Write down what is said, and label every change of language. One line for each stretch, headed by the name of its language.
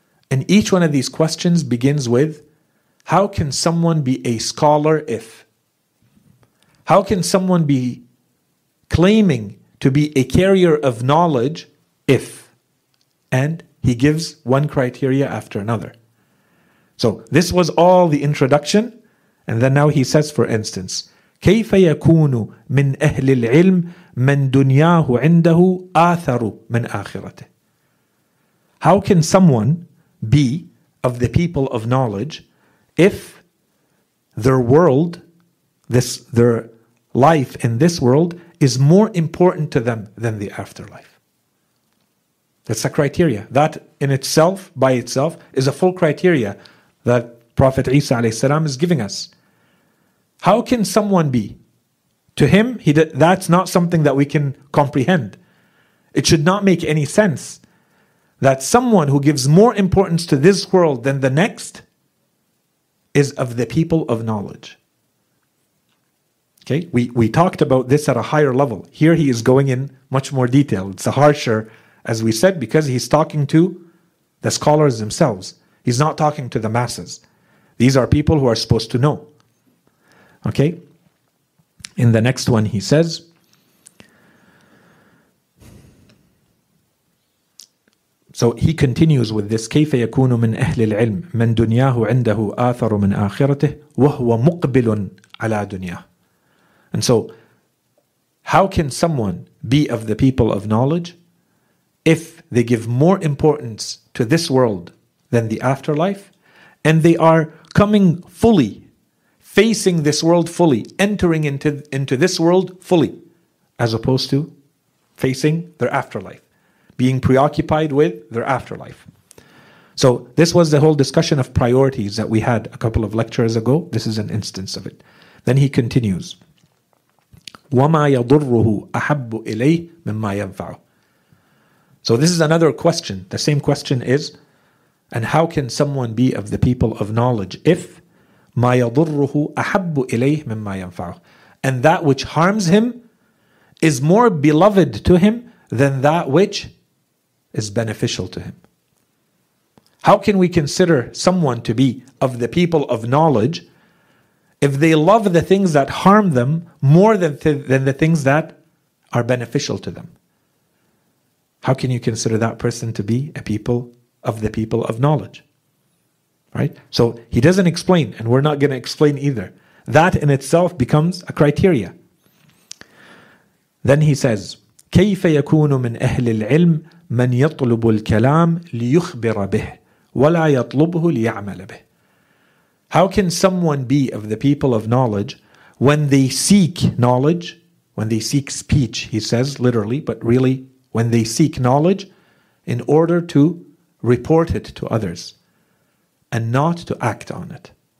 English: And each one of these questions begins with, how can someone be a scholar if? How can someone be claiming to be a carrier of knowledge if? And he gives one criteria after another. So this was all the introduction. And then now he says, for instance,
Arabic: كيف يكون من أهل العلم من دنياه عنده آثر من آخرته.
English: How can someone be of the people of knowledge if their world, this their life in this world, is more important to them than the afterlife? That's a criteria. That in itself, by itself, is a full criteria that Prophet Isa alayhi salam is giving us. How can someone be? To him, that's not something that we can comprehend. It should not make any sense that someone who gives more importance to this world than the next is of the people of knowledge. Okay, we talked about this at a higher level. Here he is going in much more detail. It's a harsher, as we said, because he's talking to the scholars themselves. He's not talking to the masses. These are people who are supposed to know. Okay, in the next one he says, so he continues with this,
Arabic: كيف يكون من أهل العلم من دنياه عنده آثر من آخرته وهو مقبل على دنيا.
English: And so, how can someone be of the people of knowledge if they give more importance to this world than the afterlife, and they are coming fully, facing this world fully, entering into this world fully, as opposed to facing their afterlife, being preoccupied with their afterlife? So this was the whole discussion of priorities that we had a couple of lectures ago. This is an instance of it. Then he continues,
Arabic: وَمَا يَضُرُّهُ أَحَبُّ إِلَيْهِ مِمَّا يَنْفَعُ.
English: So this is another question. The same question is, and how can someone be of the people of knowledge if
Arabic: مَا يَضُرُّهُ أَحَبُّ إِلَيْهِ مِمَّا يَنْفَعُ,
English: and that which harms him is more beloved to him than that which is beneficial to him? How can we consider someone to be of the people of knowledge if they love the things that harm them more than the things that are beneficial to them? How can you consider that person to be a people of the people of knowledge? Right? So he doesn't explain, and we're not going to explain either. That in itself becomes a criteria. Then he says,
Arabic: كيف يكون من أهل العلم من يطلب الكلام ليخبر به ولا يطلبه ليعمل به.
English: How can someone be of the people of knowledge when they seek knowledge, when they seek speech, he says literally, but really when they seek knowledge in order to report it to others and not to act on it.